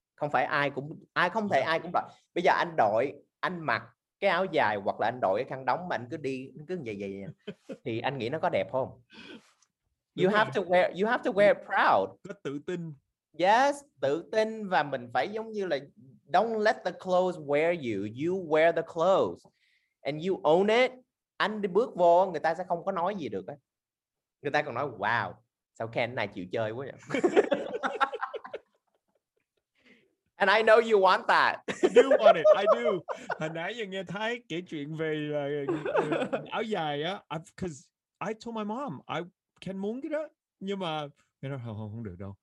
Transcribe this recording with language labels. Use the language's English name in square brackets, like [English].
[Vietnamese] Không phải ai cũng đổi. Bây giờ anh đổi, anh mặc cái áo dài hoặc là anh đổi cái khăn đóng mà anh cứ đi cứ vậy thì anh nghĩ nó có đẹp không? [English] You have to wear it proud. [Vietnamese] Có tự tin. Yes, tự tin, và mình phải giống như là [English] don't let the clothes wear you. You wear the clothes and you own it. [Vietnamese] Anh đi bước vô người ta sẽ không có nói gì được á. Người ta còn nói wow, sao Ken này chịu chơi quá vậy. [English] And I know you want that. I do want it. I do. [Vietnamese] Hồi nãy giờ nghe Thái kể chuyện về áo dài á, [English] because I told my mom I can [Vietnamese] muốn cái đó, nhưng mà nghe nói không được đâu.